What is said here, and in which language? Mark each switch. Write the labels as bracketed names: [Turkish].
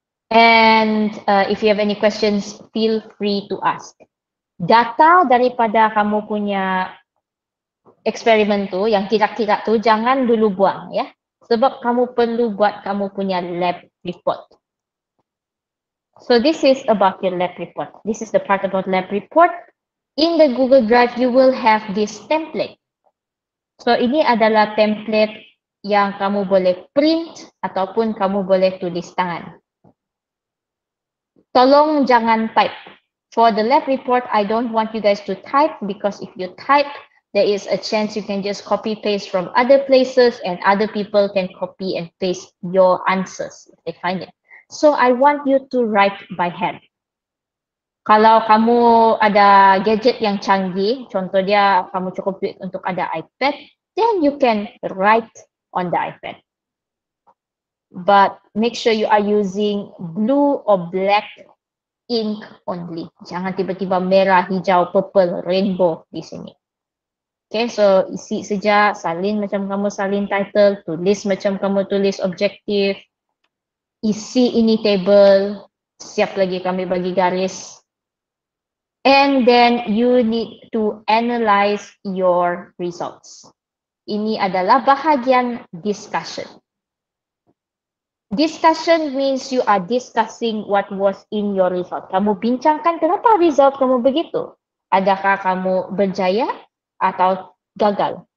[English] And if you have any questions, feel free to ask. [Malay] Data daripada kamu punya eksperimen tu, yang kira-kira tu, jangan dulu buang ya. Sebab kamu perlu buat kamu punya lab report. [English] So this is about your lab report. This is the part about lab report. In the Google Drive, you will have this template. So, [Malay] ini adalah template yang kamu boleh print ataupun kamu boleh tulis tangan. Tolong jangan type. [English] For the lab report, I don't want you guys to type because if you type, there is a chance you can just copy-paste from other places and other people can copy and paste your answers if they find it. So, I want you to write by hand. [Malay] Kalau kamu ada gadget yang canggih, contohnya kamu cukup duit untuk ada iPad, [English] then you can write on the iPad. But make sure you are using blue or black ink only. [Malay] Jangan tiba-tiba merah, hijau, purple, rainbow di sini. Okay, so isi saja, salin macam kamu salin title, tulis macam kamu tulis objektif, isi ini table, siap lagi kami bagi garis. [English] And then you need to analyze your results. [Malay] Ini adalah bahagian discussion. [English] Discussion means you are discussing what was in your result. [Malay] Kamu bincangkan kenapa result kamu begitu. Adakah kamu berjaya atau gagal?